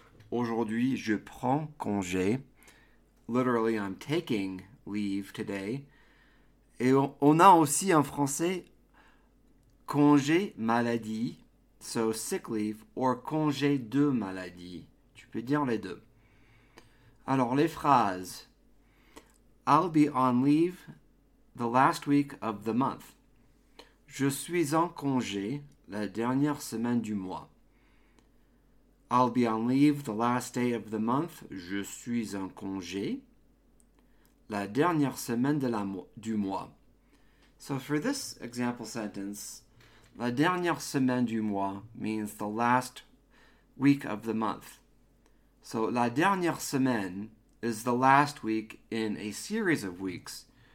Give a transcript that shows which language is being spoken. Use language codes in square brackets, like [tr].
[fr] Aujourd'hui, je prends congé. [en] Literally, I'm taking leave today. [fr] Et on a aussi en français congé maladie, [en] so sick leave, or [fr] congé de maladie. Tu peux dire les deux. Alors, les phrases. [en] I'll be on leave the last week of the month. [fr] Je suis en congé la dernière semaine du mois. [en] I'll be on leave the last day of the month. [fr] Je suis en congé la dernière semaine de la mo du mois. [en] So for this example sentence, [fr] la dernière semaine du mois [en] means the last week of the month. So [fr] la dernière semaine [en] is the last week in a series of weeks.